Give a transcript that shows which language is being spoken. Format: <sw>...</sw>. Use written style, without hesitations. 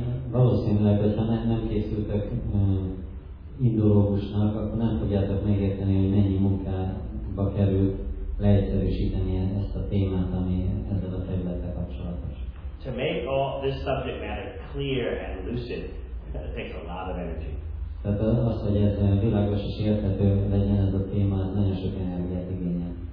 <hu>Valószínűleg, hogyha nem készültek indológusnak, akkor nem fogjátok megérteni, hogy mennyi munkába került leegyszerűsíteni ezt a témát, ami ezzel a területtel kapcsolatos.</hu> <en>To make all this subject matter clear and lucid, it takes a lot of energy.</en> <hu>Tehát az, hogy ez világos és érthető legyen ez a téma, az nagyon sok energiát igényel.</hu>